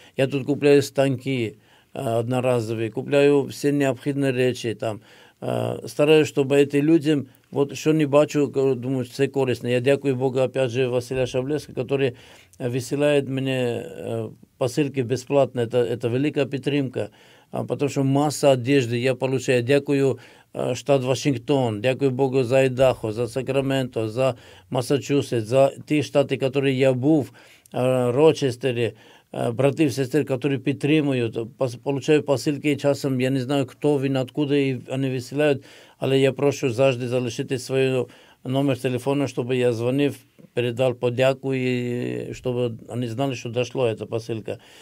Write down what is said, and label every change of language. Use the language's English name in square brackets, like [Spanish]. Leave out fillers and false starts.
[Ukrainian] Я тут купляю станки одноразові, купляю всі необхідні речі там. Стараюсь, щоб ці люди, от що не бачу, думаю, це корисно. Я дякую Богу, опять же, Василя Шаблеска, який висилає мені посилки безплатно, це велика підтримка. [Russian] Потому что масса одежды я получаю. [Ukrainian] Дякую штат Вашингтон, дякую Богу за Айдахо, за Сакраменто, за Массачусетс, за те штаты, которые я був, Рочестере, брати і сестри, які підтримують, получаю посилки, часом я не знаю, хто він, откуда і вони висилають, але я прошу завжди залишити свій номер телефону, щоб я дзвонив, передав подяку, і щоб вони знали, що дійшло ця посилка.